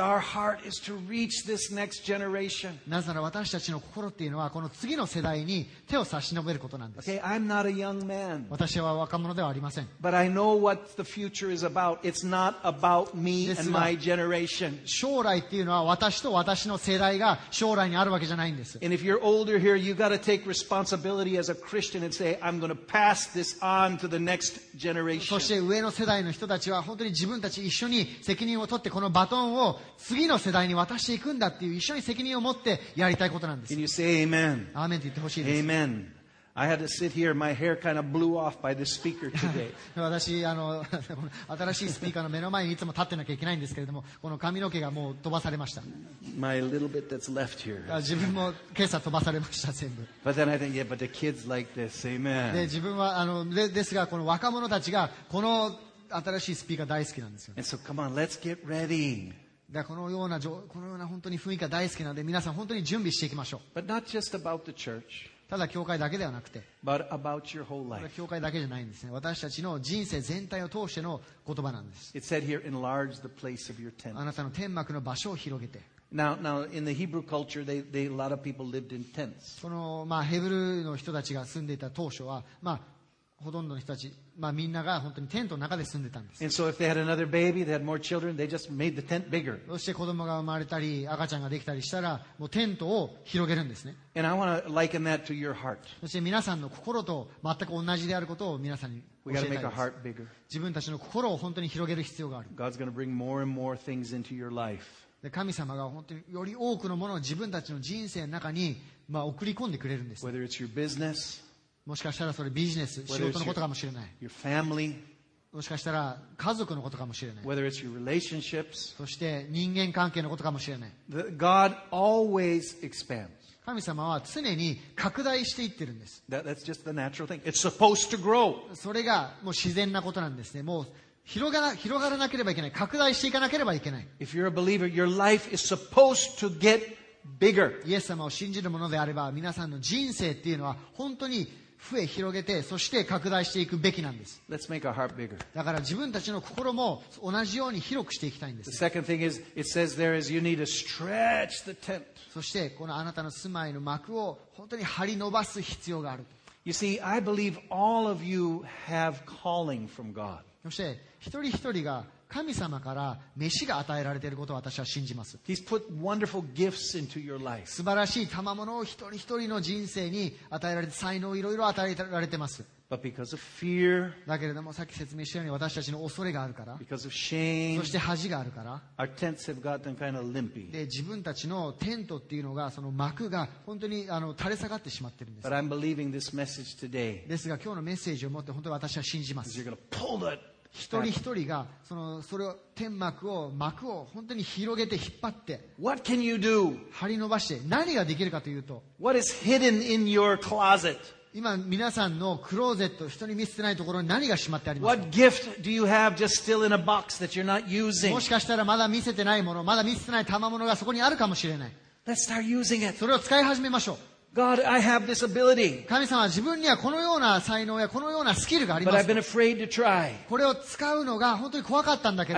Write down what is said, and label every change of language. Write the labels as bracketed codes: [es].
[en] Because our heart is to reach this next generation. [ja] なぜなら私たちの心っていうのはこの次の世代に手を差し伸べることなんです。 [en] Okay, I'm not a young man. [ja] 私は若者ではありません。ません。 [en] But I know what the future is about. It's not about me and my generation. [ja] 将来っていうのは私と私の世代が将来にあるわけじゃないんです。 [en] And if you're older here, you got to take responsibility as a Christian and say, I'm going to pass this on to the next generation. [ja] そして上の世代の人たちは本当に自分たち一緒に責任を取ってこのバトンを次の世代に渡していくんだっていう一緒に責任を持ってやりたいことなんです。 [en] Can you say amen? [ja] アーメンって言ってほしいです。 [en] Amen. I had to sit here. My hair kind of blew off by this speaker today. [ja] 私あの新しいスピーカーの目の前にいつも立ってなきゃいけないんですけれども、この髪の毛がもう飛ばされました。 [en] My little bit that's left here. [ja] 自分も今朝飛ばされました全部。 [en] But then I think, yeah, but the kids like this. Amen. [ja] で自分はあのですがこの若者たちがこの新しいスピーカー大好きなんですよ。 [en] And so come on, let's get ready. [ja] でこのような本当に雰囲気が大好きなので、皆さん本当に準備していきましょう。 [en] But not just about the church. [ja] ただ教会だけではなくて、 [en] But about your whole life. [ja] 教会だけじゃないんですね。私たちの人生全体を通しての言葉なんです。 [en] It said here, enlarge the place of your tent. [ja] あなたの天幕の場所を広げて。 [en] Now, in the Hebrew culture, a lot of people lived in tents. [ja] この、まあ、ヘブルの人たちが住んでいた当初は、まあ、ほとんどの人たち、まあ、みんなが本当にテントの中で住んでたんです。 [en] And so if they had another baby, they had more children, they just made the tent bigger. [ja] そして子供が生まれたり、赤ちゃんができたりしたら、もうテントを広げるんですね。 [en] And I want to liken that to your heart. [ja] そして皆さんの心と全く同じであることを皆さんに教えたいです。 [en] We gotta make our heart bigger. [ja] 自分たちの心を本当に広げる必要がある。 [en] God's gonna bring more and more things into your life. [ja] で神様が本当により多くのものを自分たちの人生の中に、まあ、送り込んでくれるんです。 [en] Whether it's your business, [ja] もしかしたらそれビジネス、仕事のことかもしれない。 [en] Your family, [ja] もしかしたら家族のことかもしれない。 [en] Whether it's your relationships, [ja] そして人間関係のことかもしれない。 [en] God always expands. [ja] 神様は常に拡大していってるんです。 [en] That's just the natural thing. It's supposed to grow. [ja] それがもう自然なことなんですね。もう広がらなければいけない。拡大していかなければいけない。 [en] If you're a believer, your life is supposed to get bigger. [ja] イエス様を信じるものであれば、皆さんの人生っていうのは本当に増え広げて、そして拡大していくべきなんです。 [en] Let's make our heart bigger. [ja] だから自分たちの心も同じように広くしていきたいんです。 [en] The second thing is, it says there is you need to stretch the tent. [ja] そしてこのあなたの住まいの幕を本当に張り伸ばす必要がある。 [en] You see, I believe all of you have calling from God. [ja] そして一人一人が神様から召しが与えられていることを私は信じます。 [en] He's put wonderful gifts into your life. [ja] 素晴らしい賜物を一人一人の人生に与えられて、才能をいろいろ与えられています。 [en] But because of fear, [ja] だけれどもさっき説明したように私たちの恐れがあるから、 [en] because of shame, [ja] そして恥があるから、 [en] our tents have gotten kind of limpy. [ja] で自分たちのテントっていうのがその幕が本当にあの垂れ下がってしまってるんです。 [en] But I'm believing this message today. [ja] ですが今日のメッセージをもって本当に私は信じます。 [en] You're going to pull that [ja] 一人一人がそれを天幕を幕を本当に広げて引っ張って [en] What can you do? [ja] 張り伸ばして何ができるかというと [en] What is hidden in your closet? [ja] 今皆さんのクローゼット人に見せてないところに何がしまってありますか。 [en] What gift do you have just still in a box that you're not using? [ja] もしかしたらまだ見せてないものまだ見せてない賜物がそこにあるかもしれない。 [en] Let's start using it. [ja] それを使い始めましょう。 [en] God, I have this ability. [ja] 神様、自分にはこのような才能やこのようなスキルがあります。 [en] But I've been afraid to try. [ja] これを使うのが本当に怖かったんだけど。